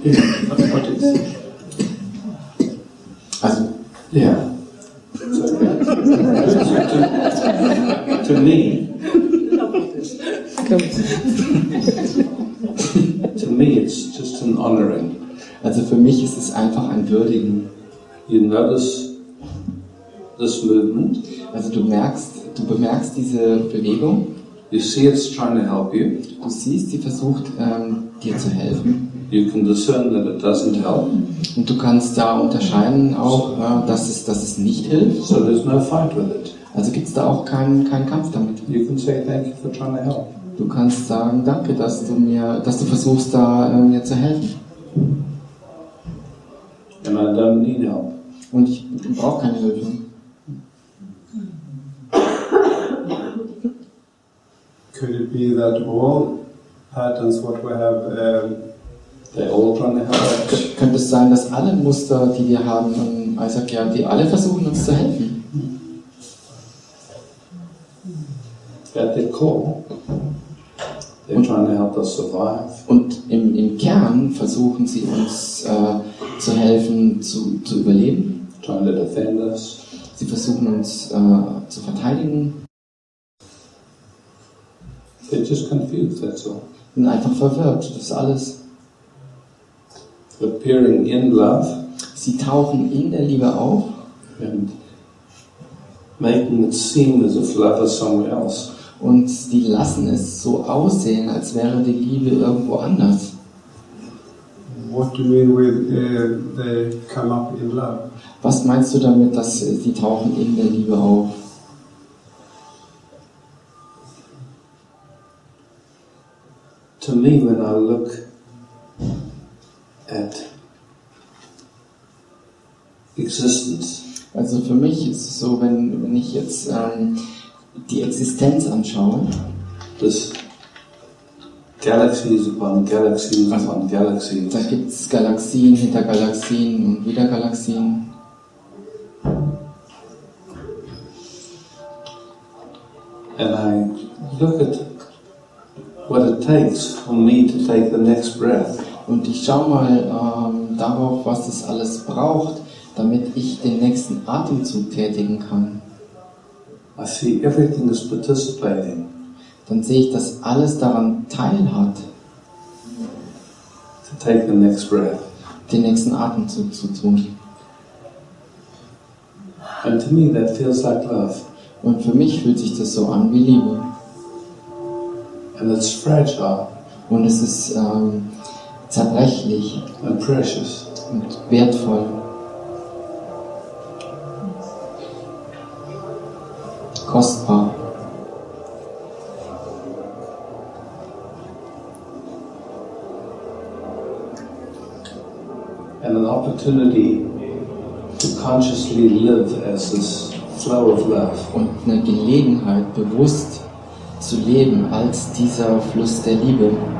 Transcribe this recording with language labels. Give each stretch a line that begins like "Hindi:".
English: That's what it is.
German: Also,
English: yeah. So, yeah. To me, to me, it's just an honoring.
German: Also für mich ist es einfach ein Würdigen.
English: You notice this movement.
German: Also du bemerkst diese Bewegung.
English: You see it's trying to help you.
German: Du siehst, sie versucht dir zu helfen.
English: You can discern that it doesn't help.
German: Und du kannst da unterscheiden auch, dass es nicht hilft.
English: So there's no fight with it.
German: Also gibt's da auch keinen Kampf damit.
English: You can say thank you for trying to help.
German: Du kannst sagen, danke, dass du versuchst da mir zu helfen.
English: And I don't need help.
German: Und ich brauche keine Hilfe.
English: Could it be that all patterns what we have, they all trying to help?
German: Könnte es sein, dass alle Muster, die wir haben, Isaac, ja, die alle versuchen uns zu helfen?
English: At the core, they're trying to help us survive.
German: Und im Kern versuchen sie uns zu helfen, zu überleben.
English: Trying to defend us.
German: Sie versuchen uns zu verteidigen.
English: They're just confused, that's all.
German: Sind einfach verwirrt, das ist alles.
English: Appearing in love.
German: Sie tauchen in der Liebe auf.
English: And making it seem as if love is somewhere else.
German: Und die lassen es so aussehen, als wäre die Liebe irgendwo anders.
English: What do you mean with they come up in love?
German: Was meinst du damit, dass sie tauchen in der Liebe auf?
English: To me, when I look at existence.
German: Also für mich ist es so, wenn ich jetzt die Existenz anschauen,
English: das Galaxies upon Galaxies upon Galaxies.
German: Da gibt es Galaxien hinter Galaxien und wieder Galaxien.
English: And I look at what it takes for me to take the next breath.
German: Und ich schau mal darauf, was es alles braucht, damit ich den nächsten Atemzug tätigen kann.
English: I see everything is participating.
German: Dann sehe ich, dass alles daran teilhat,
English: to take the next breath.
German: Den nächsten Atemzug zu tun.
English: And to me that feels like love.
German: Und für mich fühlt sich das so an wie Liebe.
English: And it's fragile.
German: Und es ist zerbrechlich.
English: And precious.
German: Und wertvoll. Kostbar.
English: And an opportunity to consciously live as this flow of love.
German: Und eine Gelegenheit, bewusst zu leben als dieser Fluss der Liebe.